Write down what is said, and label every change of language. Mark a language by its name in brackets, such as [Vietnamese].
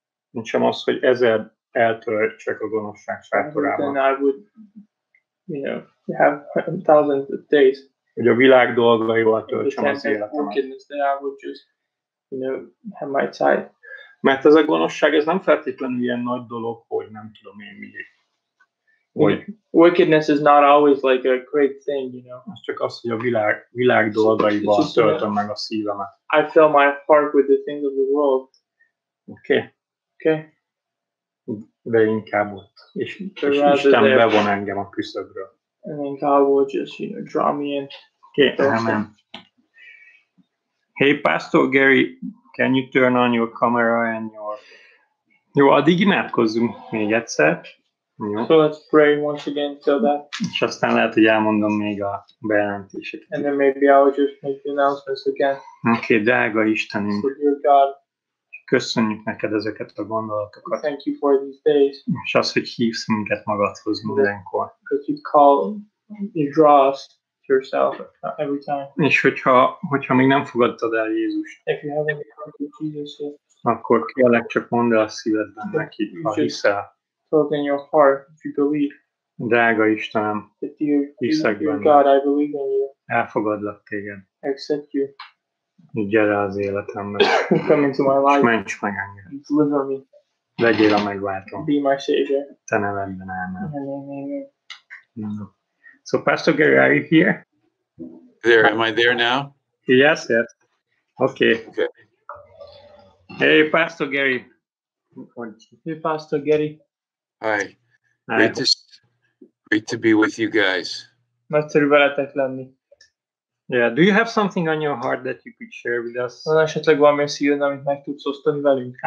[Hungarian] Mintsem az, hogy ezer eltöltsek a gonoszság sátorában. [English] Then I would, you know, have thousands of days. [Hungarian] Hogy a világ dolgaival töltsem az életemet. [English] Wickedness, then I would just, you know, have my time. [Hungarian] Mert ez a gonoszság, ez nem feltétlenül ilyen nagy dolog, hogy nem tudom én miért. [English] Wickedness is not always like a great thing, you know. [Hungarian] Ez csak az, hogy a világ dolgaival töltöm meg a szívemet. [English] I fill my heart with the things of the world. Okay. Okay. [Hungarian] De inkább ott. És Isten bevon engem a küszöbről. [English] And then God will just, you know, draw me in. Okay, amen. Hey, Pastor Gary, can you turn on your camera and your... [Hungarian] Jó, addig imádkozzunk még egyszer. [English] Jó. So let's pray once again till that. [Hungarian] És aztán lehet, hogy elmondom még a bejelentéseket. [English] And then maybe I'll just make the announcements again. [Hungarian] Oké, drága Istenünk. [English] So dear God. [Hungarian] Köszönjük neked ezeket a gondolatokat. [English] Thank you for these days. [Hungarian] És az, hogy hívsz minket magadhoz mindenkor. [English] Because you call, you draw us to yourself every time. [Hungarian] És hogyha még nem fogadtad el Jézust. [English] If you haven't come to Jesus yet. [Hungarian] Akkor kérlek, csak mondd el a szívedben neki, ha hiszel. [English] Told in your heart, if you believe. [Hungarian] Drága Istenem, hiszek benned. [English] God, I believe in you. [Hungarian] Elfogadlak téged. [English] Accept you. [Hungarian] Gyere az életembe. [English] Come into my life. [Hungarian] És ments meg engem. [English] Deliver me. [Hungarian] Legyél a megváltom. [English] Be my savior. [Hungarian] Te nevedben, amen. Amen. [English] So, Pastor Gary, are you here? There, am I there now? Yes, yes. Okay. Hey, Pastor Gary. Hey, Pastor Gary. Hi. Great to be with you guys. [Hungarian] Nagyszerű veletek lenni. [English] Yeah, do you have something on your heart that you could share with us? [Hungarian] Van esetleg valami szíved, amit meg tudsz osztani velünk?